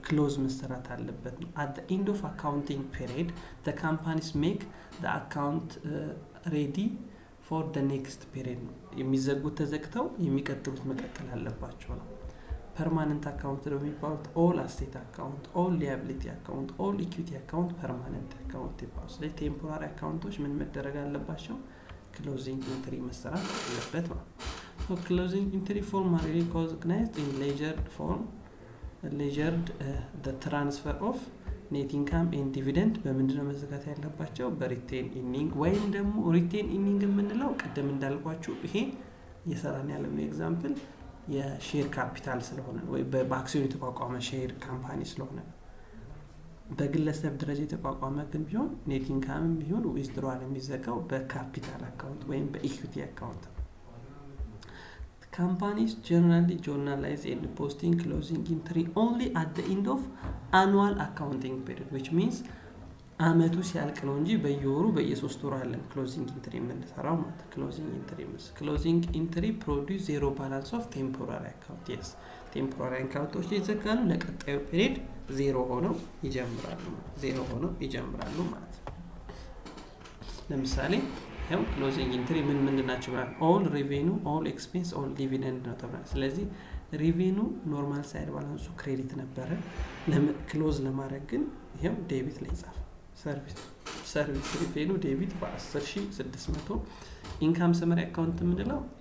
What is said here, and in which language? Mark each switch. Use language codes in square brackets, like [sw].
[am] ክሎዝ መሰራት አለበት። [en] አት ዘ ኢንድ ኦፍ አካውንቲንግ ፒሪድ ዘ ካምፓኒስ ሜክ ዘ አካውንት ሬዲ ፎር ዘ ኔክስት ፒሪድ። [am] የሚዘጉት ተዘግተው የሚቀጥሉት መቀጠል አለባቸው ነው። ፐርማነንት አካውንት ነው የሚባሉት ኦል አሴት አካውንት፣ ኦል ሊያቢሊቲ አካውንት፣ ኦል ኢኩዊቲ አካውንት ፐርማነንት አካውንት ይባላል። ስለዚህ ቴምፖራሪ አካውንቶች ምን መደረግ አለባቸው? ክሎዚንግ ኢንትሪ መሰራት አለበት ነው። [en] So closing entry form are recognized in ledger form. Ledgered the transfer of net income and dividend. [am] በምንድነው መዘጋት ያለባቸው? በሪቴን ኢኒንግ ወይም ደግሞ ሪቴን ኢኒንግ የምንለው ቀደም እንዳልኳችሁ ይሄ የሰራን ያለው ኤግዛምፕል የሼር ካፒታል ስለሆነ ወይ በአክሲዮን የተቋቋመ ሼር ካምፓኒ ስለሆነ በግለሰብ ደረጃ የተቋቋመ ግን ቢሆን net income ቢሆን withdrawal የሚዘጋው በካፒታል አካውንት ወይም በኢኩዊቲ አካውንት። [en] Companies generally journalize and posting closing entry only at the end of annual accounting period, which means [am] አመቱ ሲያልቅ ነው እንጂ በየወሩ በየሶስት ወሩ አይደለም closing entry የምንሰራው ማለት። [en] closing entry means closing entry produce zero balance of temporary account. [am] yes, temporary accounts ይዘጋሉ፣ ለቀጣዩ period zero ሆኖ ይጀምራሉ ማለት። ለምሳሌ ያው closing entry ምን ምንድናቸው ማለት all revenue, all expense, all dividend ነው ተብራ። ስለዚህ revenue normal side balance credit ነበር፣ ለclose ለማድረግ ግን ይሄው debit ላይ ጻፈ። service revenue debit በ10600 income summary account ምንድነው?